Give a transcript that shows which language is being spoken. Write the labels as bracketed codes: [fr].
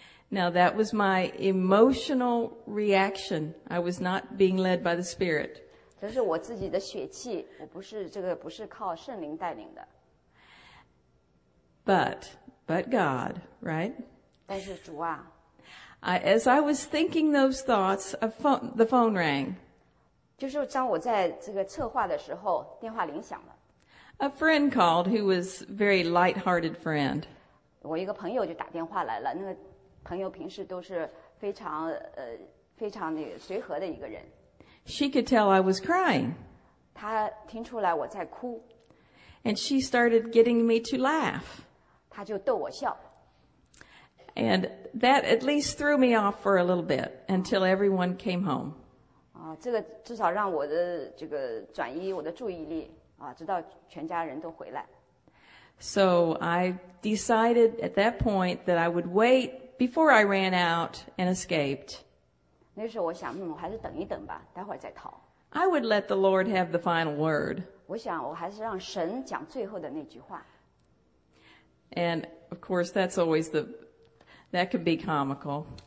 [en] Now that was my emotional reaction. I was not being led by the Spirit. [zh] 这是我自己的血气，我不是这个不是靠圣灵带领的。 [en] But God, right? [zh] 但是主啊。 [en] As I was thinking those thoughts, the phone rang. [zh] 就是当我在这个策划的时候，电话铃响了。 [en] A friend called who was a very light-hearted friend. [zh] 我一个朋友就打电话来了，那个朋友平时都是非常随和的一个人。 [en] She could tell I was crying. [zh] 她听出来我在哭。 [en] And she started getting me to laugh. [zh] 她就逗我笑。 [en] And that at least threw me off for a little bit until everyone came home. [zh] 这个至少让我的这个转移我的注意力，直到全家人都回来。 [en] So I decided at that point that I would wait before I ran out and escaped. [zh] 那时候我想，我还是等一等吧，待会儿再逃。 [en] I would let the Lord have the final word. [zh] 我想我还是让神讲最后的那句话。 [en] And of course, that's always the that can be comical.